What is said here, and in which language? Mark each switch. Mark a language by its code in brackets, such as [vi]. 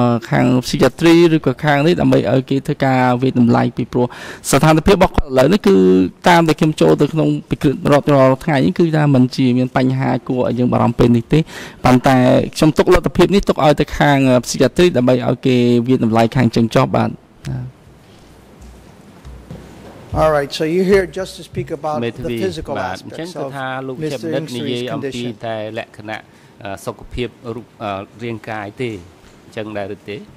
[km] ខាងស៊ីយ៉ាត្រីឬក៏ខាងនេះដើម្បីឲ្យគេធ្វើការវិនិច្ឆ័យពីព្រោះស្ថានភាពរបស់គាត់ឥឡូវនេះគឺតាមដែលខ្ញុំចូលទៅក្នុងពិគ្រោះរាល់ថ្ងៃនេះគឺថាมันជាមានបញ្ហាគួរឲ្យយើងបារម្ភពេលនេះទេប៉ុន្តែខ្ញុំទុកលទ្ធភាពនេះទុកឲ្យទៅខាងស៊ីយ៉ាត្រីដើម្បីឲ្យគេវិនិច្ឆ័យខាងជើងចុះបាទ [en] All right, so you hear Justice speak about the physical aspects of Mr. Ansari's condition. [km] តែលក្ខណៈសុខភាពរូបរាងកាយទេអញ្ចឹងដែរឬទេ